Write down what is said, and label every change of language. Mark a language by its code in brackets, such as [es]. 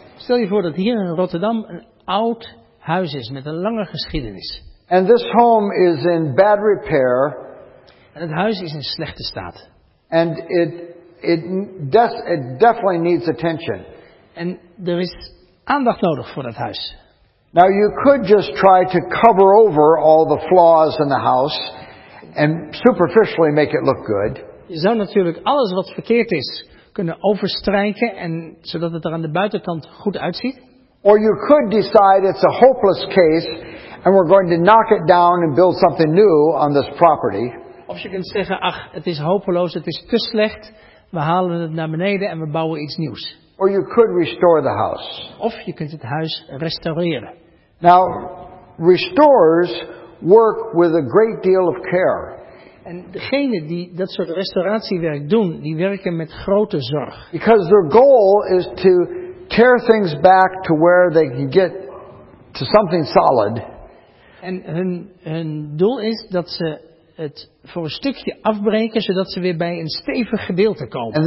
[nl] Stel je voor dat hier in Rotterdam een oud huis is met een lange geschiedenis. [en] And this home is in bad repair. [nl] En het huis is in slechte staat. [en] And it definitely needs attention. [nl] En er is aandacht nodig voor dat huis. [en] Now you could just try to cover over all the flaws in the house and superficially make it look good. [nl] Je zou natuurlijk alles wat verkeerd is kunnen overstrijken en zodat het er aan de buitenkant goed uitziet. [en] Or you could decide it's a hopeless case. And we're going to knock it down and build something new on this property. [nl] Of je kunt zeggen, ach, het is hopeloos, het is te slecht. We halen het naar beneden en we bouwen iets nieuws. [en] Or you could restore the house. [nl] Of je kunt het huis restaureren. [en] Now, restorers work with a great deal of care. [nl] En degene die dat soort restauratiewerk doen, die werken met grote zorg. [en] Because their goal is to tear things back to where they can get to something solid. [nl] En hun doel is dat ze het voor een stukje afbreken, zodat ze weer bij een stevig gedeelte komen.